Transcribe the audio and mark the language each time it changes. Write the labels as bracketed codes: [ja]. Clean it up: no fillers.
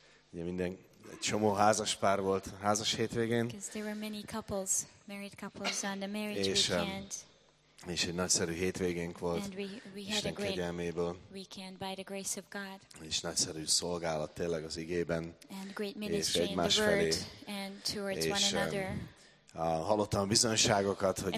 [hu] Ugye minden egy csomó házas pár volt házas hétvégén. [en] Because there were many couples, married couples on the marriage weekend. [hu] És egy nagyszerű hétvégénk volt Isten kegyelméből. [en] Weekend by the grace of God. [hu] És nagyszerű szolgálat tényleg az igében. [en] And great ministry in the word and towards one another. [hu] Hallottam bizonyságokat, hogy